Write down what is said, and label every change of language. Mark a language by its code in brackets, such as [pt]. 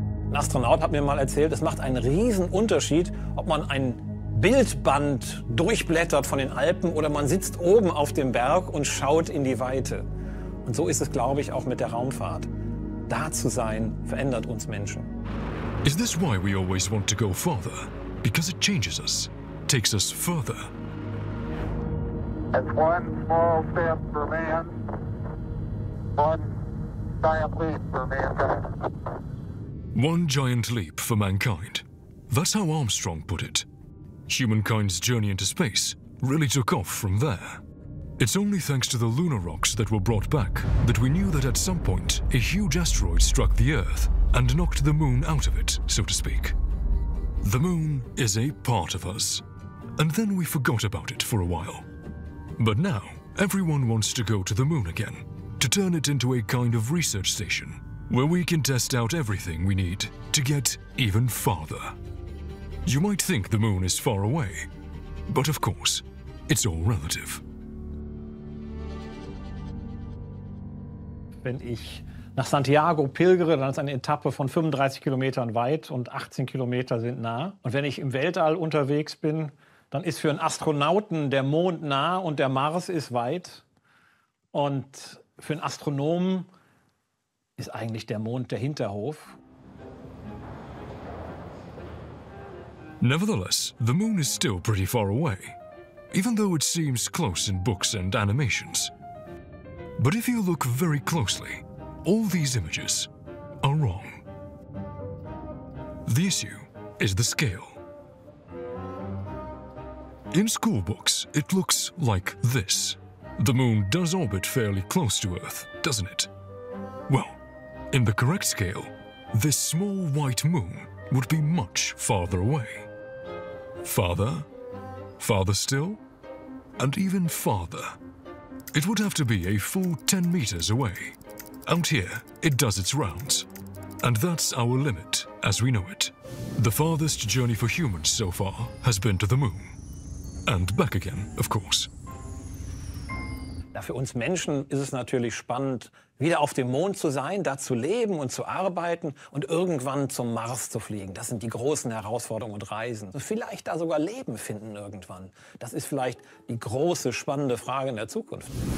[de] Ein Astronaut hat mir mal erzählt, es macht einen riesen Unterschied, ob man ein Bildband durchblättert von den Alpen oder man sitzt oben auf dem Berg und schaut in die Weite. Und so ist es, glaube ich, auch mit der Raumfahrt. da zu sein, verändert uns Menschen. [en] Is this why we always want to go farther? Because it changes us, takes us further. It's one small step for man, one giant leap for mankind. One giant leap for mankind. That's how Armstrong put it. Humankind's journey into space really took off from there. It's only thanks to the lunar rocks that were brought back that we knew that at some point a huge asteroid struck the Earth and knocked the moon out of it, so to speak. The moon is a part of us. And then we forgot about it for a while. But now, everyone wants to go to the moon again, to turn it into a kind of research station, where we can test out everything we need to get even farther. You might think the moon is far away, but of course, it's all relative. Wenn ich nach Santiago pilgere, dann ist eine Etappe von 35 Kilometern weit und 18 Kilometer sind nah. Und wenn ich im Weltall unterwegs bin, dann ist für einen Astronauten der Mond nah und der Mars ist weit. Und für einen Astronomen ist eigentlich der Mond der Hinterhof. Nevertheless, the moon is still pretty far away, even though it seems close in books and animations. But if you look very closely, all these images are wrong. The issue is the scale. In school books, it looks like this. The moon does orbit fairly close to Earth, doesn't it? Well, in the correct scale, this small white moon would be much farther away. Farther, farther still, and even farther. It would have to be a full 10 meters away. Out here, it does its rounds. And that's our limit, as we know it. The farthest journey for humans so far has been to the moon. And back again, of course. [de] Ja, für uns Menschen ist es natürlich spannend, wieder auf dem Mond zu sein, da zu leben und zu arbeiten und irgendwann zum Mars zu fliegen. Das sind die großen Herausforderungen und Reisen. Und vielleicht da sogar Leben finden irgendwann. Das ist vielleicht die große, spannende Frage in der Zukunft.